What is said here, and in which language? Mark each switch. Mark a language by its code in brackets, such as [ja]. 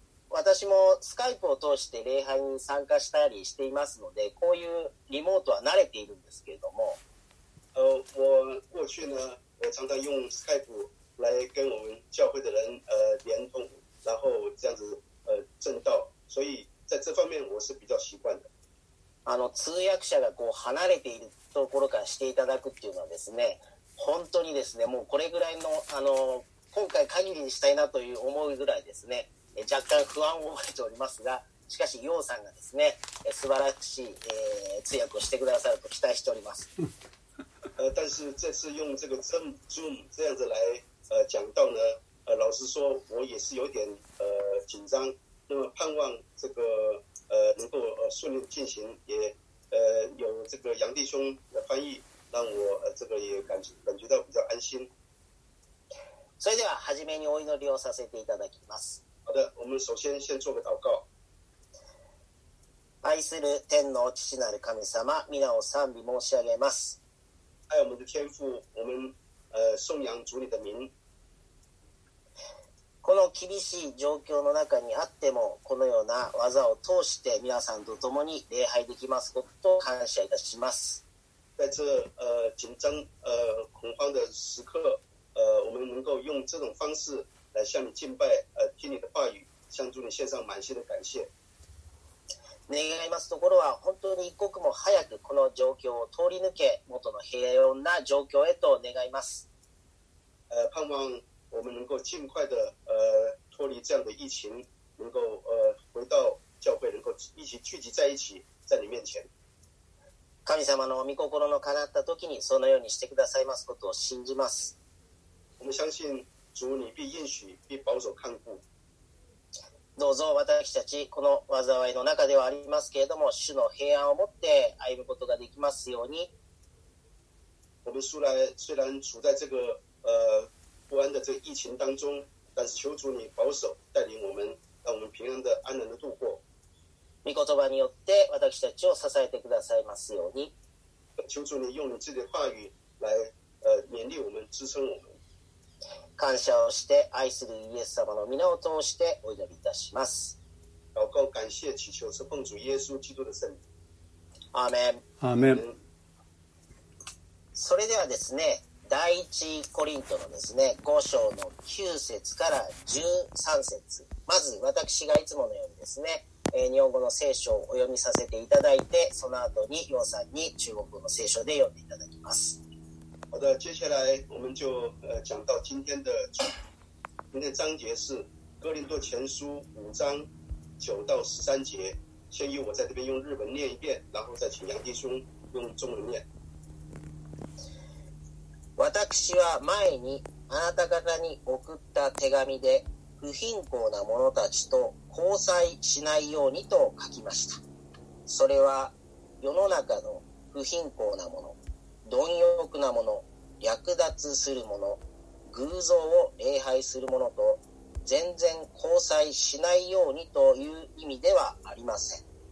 [ja] 私もスカイプを通して礼拝に参加したりしていますので、こういうリモートは慣れているんですけれども、 [zh] 我过去呢我常常用スカイプ来跟我们教会的人连通，然后这样子正道，所以在这方面我是比较习惯的。 [ja] 通訳者がこう離れているところからしていただくっていうのはですね、本当にですね、もうこれぐらいの今回限りにしたいなという思うぐらいですね、若干不安を覚えておりますが、しかしヨウさんがですね、素晴らしい、通訳をしてくださると期待しております。 [zh] 但是这次用这个 Zoom 这样子来讲到呢，老实说，我也是有点紧张。那么盼望这个能够顺利进行，也有这个杨弟兄的翻译，让我这个也感觉到比较安心。 [ja] それでは初めにお祈りをさせていただきます。 [zh] 好的，我们首先先做个祷告。 [ja] 愛する天の父なる神様、皆を賛美申し上げます。 [zh] 爱我们的天父，我们颂扬主你的名。 [ja] この厳しい状況の中にあっても、このような技を通して皆さんと共に礼拝できますことを感謝いたします。 [zh] 在这紧张恐慌的时刻我们能够用这种方式来向你敬拜听你的话语，向主你献上满心的感谢。 [ja] 願いますところは、本当に一刻も早くこの状況を通り抜け、元の平穏な状況へと願います。 [zh] 盼望我们能够尽快的脱离这样的疫情，能够回到教会，能够一起聚集在一起，在你面前。 [ja] 神様の御心の叶った時にそのようにしてくださいますことを信じます。 [zh] 我们相信主你必应许必保守看顾。 [ja] どうぞ私たちこの災いの中ではありますけれども、主の平安をもって歩むことができますように。 [zh] 我们虽然处在这个不安的这个疫情当中，但是求主你保守带领我们，让我们平安的安然的度过。 [ja] 御言葉によって私たちを支えてくださいますように。 [zh] 求主你用你自己的话语来勉励我们，支撑我们。 [ja] 感謝をして愛するイエス様の名を通してお祈りいたします。 [zh] 祷告感謝祈求是奉主耶稣基督的圣名。 [ja] アーメン、アーメン。それではですね、第一コリントのですね、5章の9節から13節、まず私がいつものようにですね、日本語の聖書をお読みさせていただいて、その後にヨウさんに中国語の聖書で読んでいただきます。 [zh] 好的，接下来我们就讲到今天章节是哥林多前书五章九到十三节。先由我在这边用日文念一遍，然后再请杨弟兄用中文念。 [ja] 私は前にあなた方に送った手紙で不貧乏な者たちと交際しないようにと書きました。それは世の中の不貧乏な者、貪欲なもの、略奪するもの、偶像を礼拝するものと全然交際しないようにという意味ではありません。